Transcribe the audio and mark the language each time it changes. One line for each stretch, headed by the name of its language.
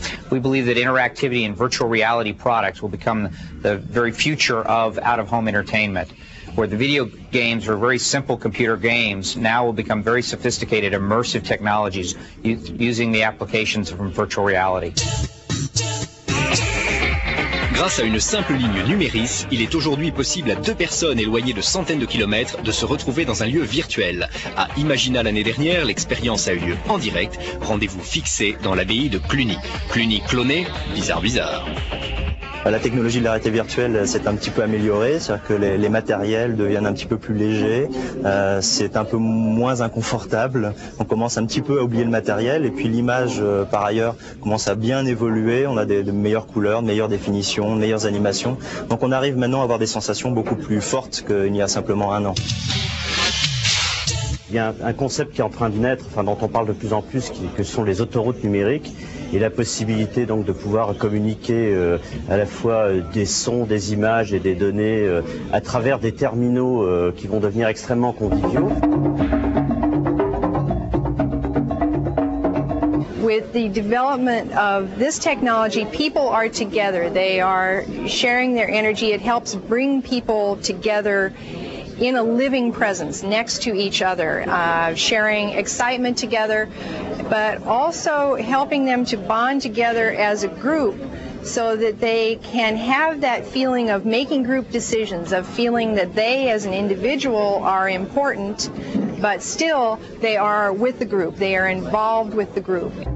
English: We believe that interactivity and virtual reality products will become the very future of out-of-home entertainment, where the video games were very simple computer games, now will become very sophisticated immersive technologies using the applications from virtual reality.
French: Grâce à une simple ligne Numéris, il est aujourd'hui possible à deux personnes éloignées de centaines de kilomètres de se retrouver dans un lieu virtuel. À Imagina l'année dernière, l'expérience a eu lieu en direct. Rendez-vous fixé dans l'abbaye de Cluny. Cluny cloné, bizarre bizarre. La technologie de la réalité virtuelle s'est un petit peu améliorée, c'est-à-dire que les matériels deviennent un petit peu plus légers, c'est un peu moins inconfortable, on commence un petit peu à oublier le matériel, et puis l'image, par ailleurs, commence à bien évoluer, on a de meilleures couleurs, de meilleures définitions, de meilleures animations, donc on arrive maintenant à avoir des sensations beaucoup plus fortes qu'il y a simplement un an. Il y a un concept qui est en train de naître, enfin, dont on parle de plus en plus, que sont les autoroutes numériques, et la possibilité donc de pouvoir communiquer à la fois des sons, des images et des données à travers des terminaux qui vont devenir extrêmement conviviaux.
English: With the development of this technology, people are together. They are sharing their energy. It helps bring people together in a living presence next to each other, sharing excitement together, but also helping them to bond together as a group so that they can have that feeling of making group decisions, of feeling that they as an individual are important, but still they are with the group, they are involved with the group.